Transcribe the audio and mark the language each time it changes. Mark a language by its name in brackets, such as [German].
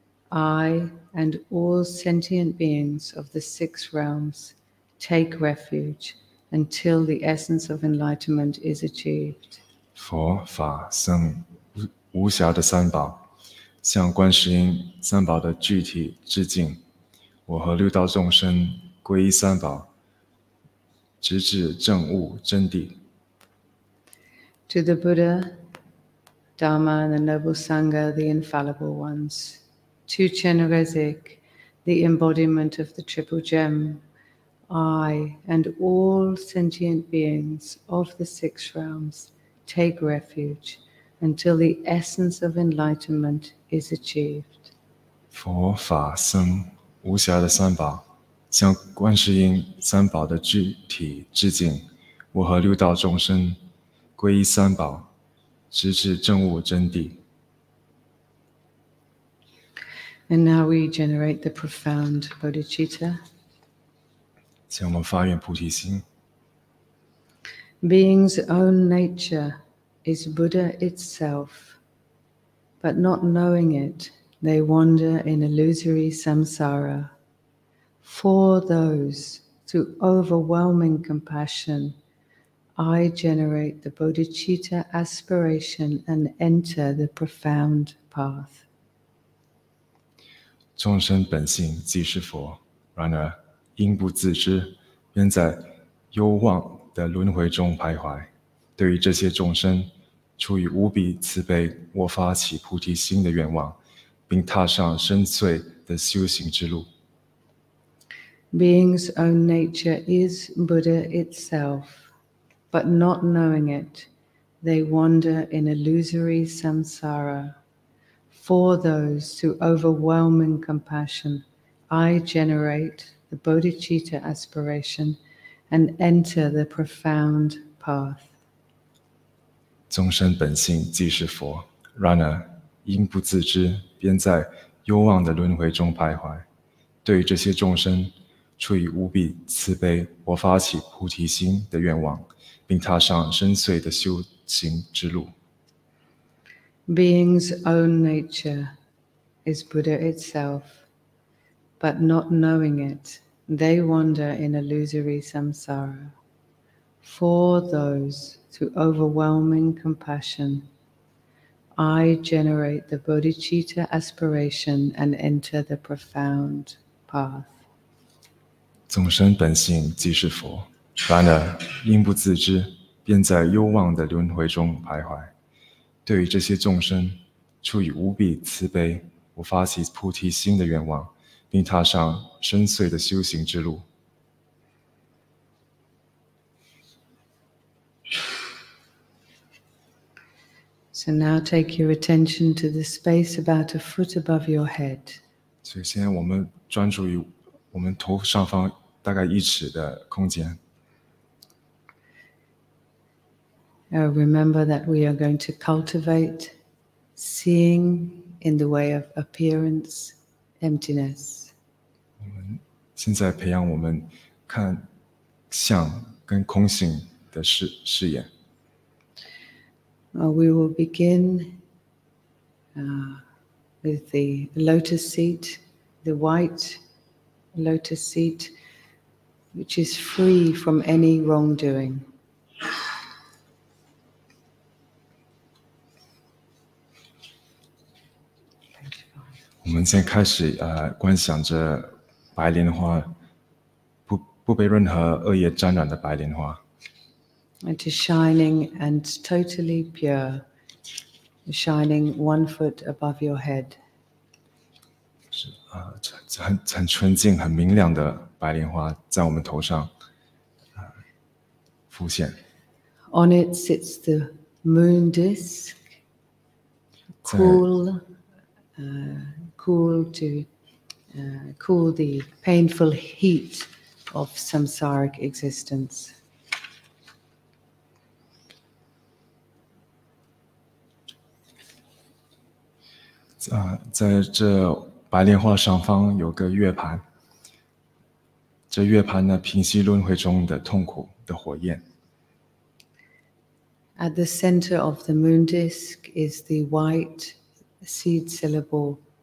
[English] I and all sentient beings of the six realms take refuge until the essence of enlightenment is achieved. [Chinese] 佛法僧无暇的三宝向观世音三宝的具体致敬，我和六道众生皈依三宝，直至证悟真谛。 [English] To the Buddha, Dharma, and the Noble Sangha, the infallible ones. To Chenrezig, the embodiment of the Triple Gem. I and all sentient beings of the six realms take refuge until the essence of enlightenment is achieved. [Chinese] 佛法僧无暇的三宝向观世音三宝的具体致敬，我和六道众生皈依三宝，直至证悟真谛。 [English] And now we generate the profound bodhicitta. [Chinese] 向我们发愿菩提心。 [English] Being's own nature is Buddha itself, but not knowing it, they wander in illusory samsara. For those, through overwhelming compassion, I generate the bodhicitta aspiration and enter the profound path. [Chinese] 众生本性即是佛，然而因不自知，便在忧妄的轮回中徘徊。对于这些众生，出于无比慈悲，我发起菩提心的愿望，并踏上深邃的修行之路。 [English] Being's own nature is Buddha itself, but not knowing it, they wander in illusory samsara. For those who overwhelming compassion, I generate the bodhicitta aspiration and enter the profound path. [Chinese] 众生本性即是佛，然而因不自知，便在忧妄的轮回中徘徊。对于这些众生，出于无比慈悲，我发起菩提心的愿望，并踏上深邃的修行之路。 [English] Being's own nature is Buddha itself, but not knowing it, they wander in illusory samsara. For those, through overwhelming compassion, I generate the bodhicitta aspiration and enter the profound path. [Chinese] 众生本性即是佛，然而因不自知，便在幽妄的轮回中徘徊。对于这些众生，出于无比慈悲，我发起菩提心的愿望，并踏上深邃的修行之路。 [English] So now take your attention to the space about a foot above your head. [Chinese] 所以现在我们专注于我们头上方大概一尺的空间。 [English] Remember that we are going to cultivate seeing in the way of appearance, emptiness. [Chinese] 我们现在培养我们看相跟空性的视野。 [English] We will begin with the lotus seat, the white lotus seat, which is free from any wrongdoing. [Chinese] 我们先开始观想着白莲花不被任何恶业沾染的白莲花。 [English] It is shining and totally pure, shining 1 foot above your head. [Chinese] 是很纯净很明亮的白莲花在我们头上浮现。 [English] On it sits the moon disc, cool the painful heat of samsaric existence. [Chinese] 在这白莲花上方有个月盘，这月盘呢平息轮回中的痛苦的火焰。 [English] At the center of the moon disc is the white seed syllable.